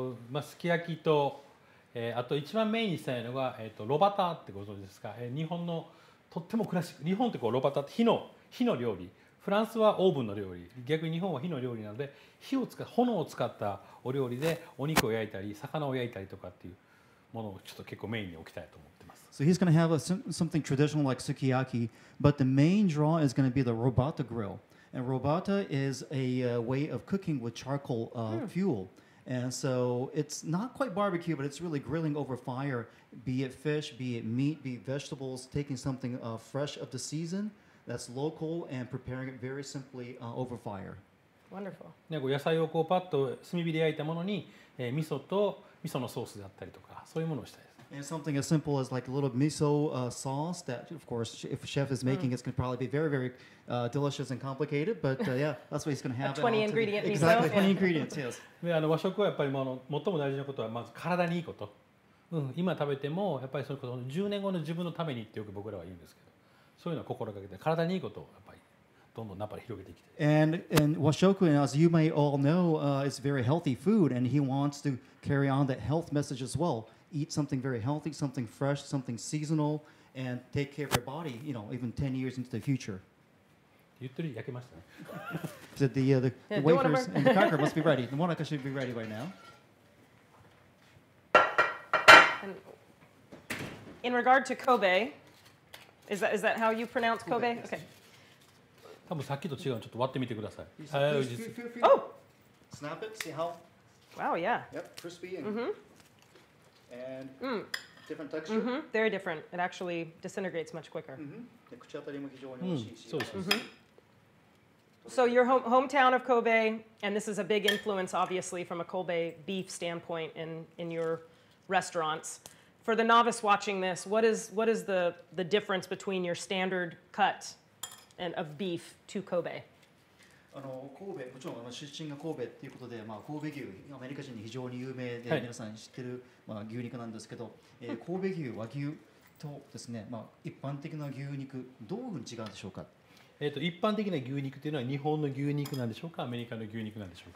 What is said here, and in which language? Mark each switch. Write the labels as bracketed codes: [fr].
[ja] まあ、すき焼きと、あと一番メインにしたいのが、ロバターってご存知ですか、日本のとってもクラシック日本ってこうロバタって火の料理フランスはオーブンの料理逆に日本は火の料理なので炎を使ったお料理でお肉を焼いたり魚を焼いたりとかっていうものをちょっと結構メインに置きたいと思ってます [en] So he's going to have something traditional like sukiyaki but the main draw is going to be the Robata grill and Robata is a way of cooking with charcoal fuel and so it's not quite barbecue but it's really grilling over fireBe it fish, be it meat, be it vegetables, taking something fresh of the season that's local and preparing it very simply over fire. Wonderful. [ja] 野菜をこうパッと炭火で焼いたものに、味噌と味噌のソースであったりとかそういうものをしたいです。 [en] And something as simple as like a little miso sauce that, of course, if a chef is making, it's going to probably be very, very delicious and complicated. But yeah, that's what he's going to have. 20 ingredient miso. Exactly, 20 ingredients, yes. [ja] 和食はやっぱり最も大事なことはまず体にいいこと。今食べてもやっぱりそれこそ10年後の自分のためにってよく僕らは言うんですけどそういうのを心がけて体にいいことをやっぱりどんどんナパで広げていきたい [en] and washoku and as you may all know it's very healthy food and he wants to carry on that health message as well eat something very healthy something fresh something seasonal and take care of your body you know even 10 years into the future [ja] 言ってる焼けましたね [en] said the wafers and the cracker must be ready the monaka should be ready by now In regard to Kobe, is that how you pronounce Kobe? Okay. [ja] 多分さっきと違うちょっと割ってみてください。はい。 [en] Oh! Snap it, see how? Wow, yeah. Yep, crispy and different texture. Mm-hmm. Very different. It actually disintegrates much quicker. Mm-hmm. [ja] で、口当たりも非常に美味しいし。そうです。 [en] So your hometown of Kobe, and this is a big influence, obviously, from a Kobe beef standpoint in your restaurants. For the novice watching this, what is the difference between your standard cut and of beef to Kobe? [ja] あの神戸もちろん出身が神戸っていうことで、まあ、神戸牛アメリカ人に非常に有名で、はい、皆さん知ってる、まあ、牛肉なんですけど、神戸牛和牛とですね、まあ、一般的な牛肉どういうふうに違うんでしょうか？一般的な牛肉というのは日本の牛肉なんでしょうか、アメリカの牛肉なんでしょうか